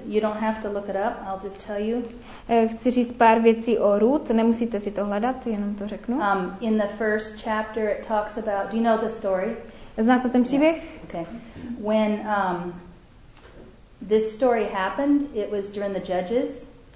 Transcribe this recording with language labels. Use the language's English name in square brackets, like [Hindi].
[English] You don't have to look it up, I'll just tell you. [Czech] Chci říct pár věcí o Ruth, nemusíte si to hledat, jenom to řeknu. [English] In the first chapter it talks about, do you know the story? [Czech] Znáte ten příběh? [English] Yeah. Okay. When this story happened, it was during the Judges.